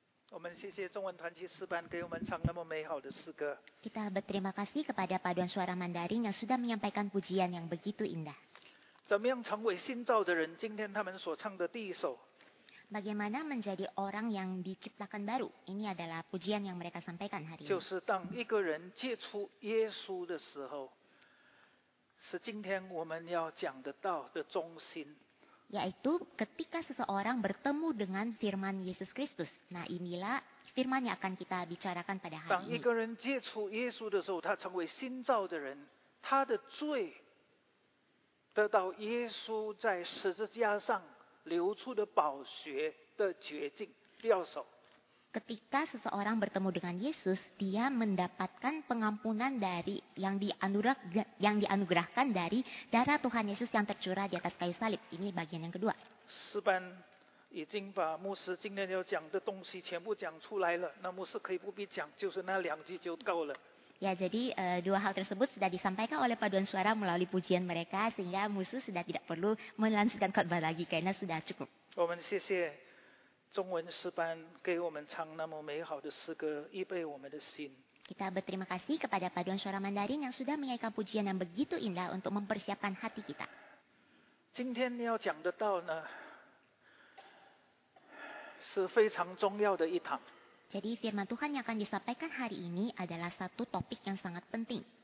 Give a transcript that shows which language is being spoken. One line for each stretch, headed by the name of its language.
Chinese: 我们谢谢中文团契诗班给我们唱那么美好的诗歌。
Indonesian: Kita berterima kasih kepada paduan suara Mandarin yang sudah menyampaikan pujian yang begitu indah.
Chinese: 怎么样成为新造的人？今天他们所唱的第一首。
Indonesian: Bagaimana menjadi orang yang diciptakan baru? Ini adalah pujian yang mereka sampaikan hari ini.
Chinese: 就是当一个人接触耶稣的时候，是今天我们要讲的道的中心。
Indonesian: Yaitu ketika seseorang bertemu dengan firman Yesus Kristus. Nah inilah firman yang akan kita bicarakan pada hari ini.
Chinese: 当一个人接触耶稣的时候，他成为新造的人，他的罪得到耶稣在十字架上流出的宝血的洁净。第二首。
Indonesian: Ketika seseorang bertemu dengan Yesus, dia mendapatkan pengampunan dari yang dianugerahkan dari darah Tuhan Yesus yang tercurah di atas kayu salib. Ini bagian yang kedua.
Chinese: Seban, 已经把牧师今天要讲的东西全部讲出来了。那牧师可以不必讲，就是那两句就够了。
Indonesian: Ya, jadi dua hal tersebut sudah disampaikan oleh paduan suara melalui pujian mereka, sehingga musuh sudah tidak perlu melanjutkan khotbah lagi, karena sudah cukup.
Chinese: 我们谢谢中文诗班给我们唱那么美好的诗歌，预备我们的心。
Indonesian: Kita berterima kasih kepada paduan suara Mandarin yang sudah menyanyikan pujian yang begitu indah untuk mempersiapkan hati kita.
Chinese: 今天要讲的道呢，是非常重要的一堂。
Indonesian: Jadi firman Tuhan yang akan disampaikan hari ini adalah satu topik yang sangat penting.